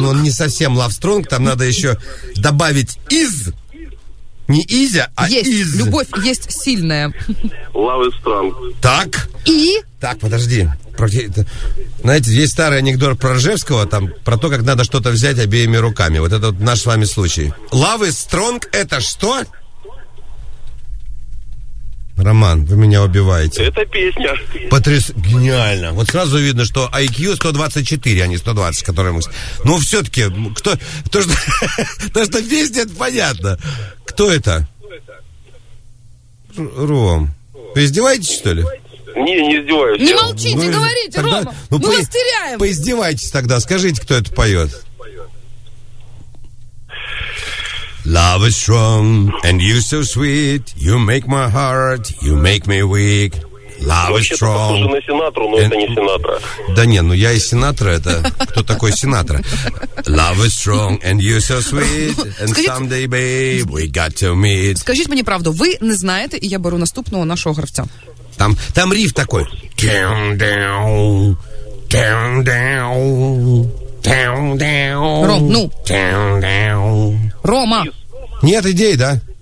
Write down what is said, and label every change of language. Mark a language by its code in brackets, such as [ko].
[ru] Ну, он не совсем [en] Love Strong, [ru] там надо еще добавить из. Не изя, а есть. Из. Любовь есть сильная. [en] Love is strong. [ru] Так. И? Так, подожди. Знаете, есть старый анекдот про Ржевского, там, про то, как надо что-то взять обеими руками. Вот это вот наш с вами случай. [en] Love is strong [ru] – это что? Роман, вы меня убиваете. Это песня. Гениально. Вот сразу видно, что IQ 124, а не 120, который мы... Ну, все-таки, кто... То, что песня, это понятно. Кто это? Ром, вы издеваетесь, что ли? Не, не издеваюсь. Не молчите, говорите, Рома. Мы вас теряем. Поиздевайтесь тогда, скажите, кто это поет. [en] Love is strong, and you're so sweet. You make my heart, you make me weak. Love is strong. [ru] Вообще-то похоже на Синатру, но and... это не Синатра. Да не, ну я и Синатра, это... Кто такой Синатра? [en] Love is strong, and you're so sweet. And someday, babe, we got to meet. [ru] Скажите мне правду, вы не знаете, и я беру [uk] наступного [ru] нашего [uk] гравця. [ru] Там, там риф такой. [en] Down, down, down, down. [ru] Ром, ну. Рома. Нет идей, да?